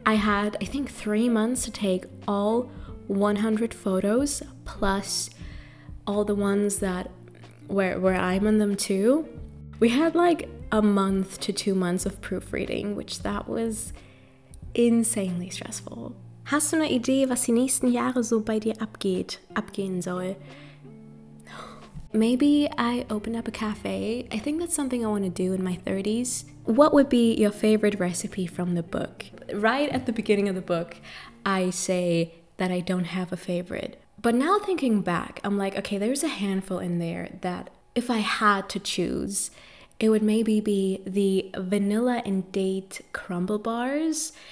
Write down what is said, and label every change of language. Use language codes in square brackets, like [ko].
[en] I had, I think, 3 months to take all 100 photos plus all the ones that where I'm in them too. We had like a month to 2 months of proofreading, which that was insanely stressful. [de] Hast du eine Idee, was die nächsten Jahre so bei dir abgehen soll? [en] Maybe I open up a cafe. I think that's something I want to do in my 30s. What would be your favorite recipe from the book? Right at the beginning of the book, I say that I don't have a favorite. But now thinking back, I'm like, okay, there's a handful in there that if I had to choose, it would maybe be the vanilla and date crumble bars.